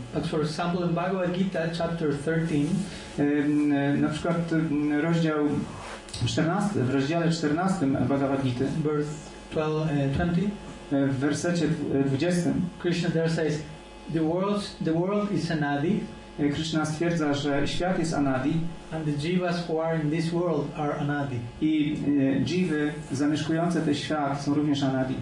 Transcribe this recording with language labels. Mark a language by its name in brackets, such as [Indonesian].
[English] But for example in Bhagavad Gita chapter 13 [Polish] na przykład rozdział 14, w rozdziale 14 Bhagavad Gita [English] verse 20 [Polish] w wersecie 20 [English] Krishna there says the world is anadi. [Polish] Krishna stwierdza, że świat jest anadi. [English] And the jivas who are in this world are anadi. [Polish] I jivy zamieszkujące ten świat są również anadi.